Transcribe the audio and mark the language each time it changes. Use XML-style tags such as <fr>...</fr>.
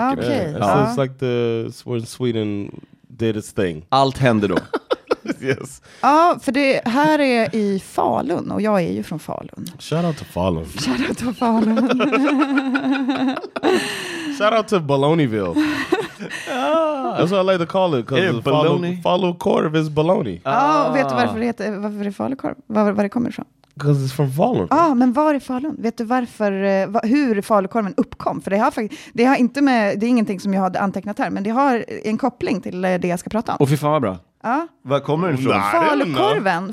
<en>Okej. So it's like the when Sweden did its thing.</en> <sv>Allt hände då.</sv> <en>Yes.</en> <sv>Ja, för det här är i Falun och jag är ju från Falun.</sv> <en>Shout out to Falun. Shout out to Falun. Shout out to Baloneyville. That's what I like to call it because Falun korv is baloney.</en> <sv>Vet du varför det är Falun korv? Var det kommer ifrån?</sv> <en>Because it's from Falun.</en> <sv>Ja, men var är Falun? Vet du varför, hur falukorven uppkom? För det är ingenting som jag hade antecknat här, men det har en koppling till det jag ska prata om. Och fy fan vad bra. Ja. Var kommer den ifrån?</sv>